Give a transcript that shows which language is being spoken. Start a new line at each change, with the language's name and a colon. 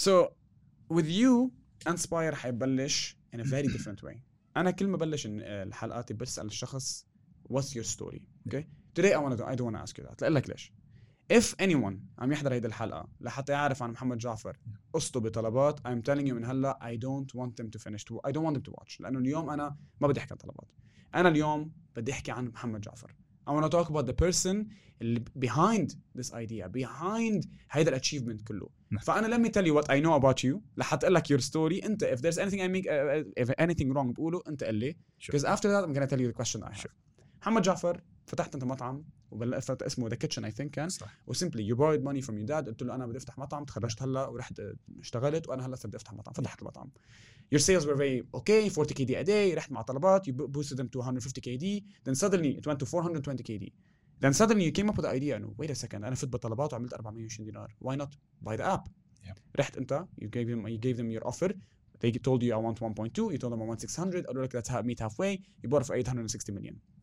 English: So with you, Inspire
Arabic: حيبلش
English: in a very different way.
Arabic: أنا كل ما بلش الحلقات بسأل الشخص
English: what's your story. Okay. Today I don't want to ask you that.
Arabic: لأقول لك ليش.
English: If anyone
Arabic: عم يحضر هيدا الحلقة لحتى يعرف عن محمد جعفر قصته بطلبات,
English: I'm telling you
Arabic: من هلا
English: I don't want them to finish to, I don't want them to watch,
Arabic: لأنه اليوم أنا ما بدي أحكي عن طلبات, أنا اليوم بدي أحكي عن محمد جعفر.
English: I want to talk about the person behind this idea, behind
Arabic: هيدا الأتشيفمنت كله.
English: فأنا let me tell you what I know about you
Arabic: لحتى أقول لك
English: your story. أنت if there's anything I make, if anything wrong
Arabic: بقوله أنت قل لي,
English: because after that I'm gonna tell you the question I have.
Arabic: محمد جعفر فتحت أنت مطعم وبلفت اسمه The Kitchen I think كان, وسيمبلي
English: you borrowed money from your dad,
Arabic: قلت له أنا بدي أفتح مطعم, تخرجت هلا ورحت اشتغلت وأنا هلا بدي أفتح مطعم, فتحت المطعم.
English: Your sales were very okay, 40 KD a day,
Arabic: رحت مع طلبات,
English: you boosted them to 150 KD, then suddenly it went to 420 KD, then suddenly you came up with the idea, no, wait a second,
Arabic: أنا فت بطلبات وعملت 420 دينار,
English: why not buy the app.
Arabic: رحت أنت,
English: you gave them your offer, they told you I want 1.2, you told them I want 600,
Arabic: قالوا لك
English: let's meet halfway, you bought for 860 million.